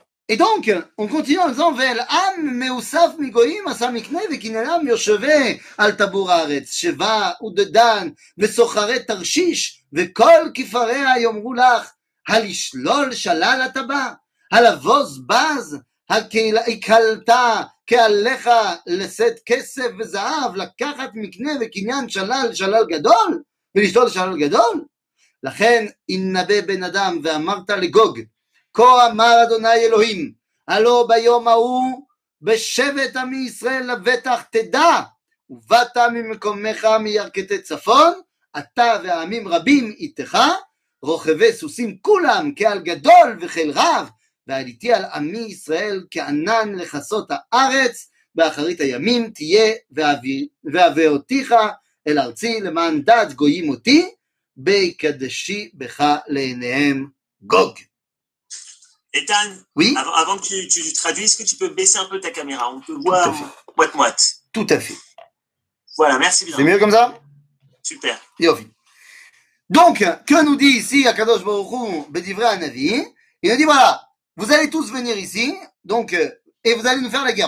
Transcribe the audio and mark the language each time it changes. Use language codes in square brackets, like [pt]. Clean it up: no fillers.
[fr] Et donc, on continue en disant [he] Vel am meusaf migoyim asamikne vekinanam yosheve al tabur haaretz sheva udedan vesochare tarshish vekol kifareha yomru lach halishlol shalal ataba halavoz baz הקלטה כעליך לשאת כסף וזהב, לקחת מקנה וקניין שלל, שלל גדול, ולשתול שלל גדול? לכן, ינבא בן אדם ואמרת לגוג, כה אמר אדוני אלוהים, הלא ביום ההוא, בשבט עמי ישראל לבטח תדע, ובאת ממקומך מירכתי צפון, אתה והעמים רבים איתך, רוכבי סוסים כולם כעל גדול וחיל רב, ועליתי על עמי ישראל כענן לחסות הארץ, באחרית הימים תהיה ואבי אותיך אל ארצי למען דעת גויים אותי, בקדשי בך לעיניהם גוג. איתן, [fr] oui? avant que tu traduises, que tu peux baisser un peu ta caméra, on peut voir moite-moite. Tout à fait. Voilà, merci bien. C'est mieux comme ça? Super. [he] Yofi. [fr] Donc, que nous dit ici Akadosh Baruch Hu, Bedivre Anavi, il nous dit voilà, vous allez tous venir ici, donc, et vous allez nous faire la guerre.